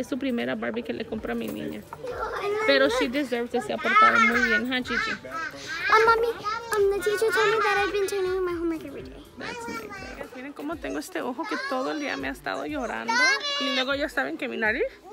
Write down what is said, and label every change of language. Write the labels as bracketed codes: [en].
[es] Es su primera Barbie que le compra a mi niña. Pero [en] she deserves it. [es] Se ha portado muy bien, ¿eh, Chichi? Mami. [en] The teacher told me that I've been turning my homework every day. That's my girl. [es] Miren cómo tengo este ojo que todo el día me ha estado llorando. Y luego ya saben que mi nariz.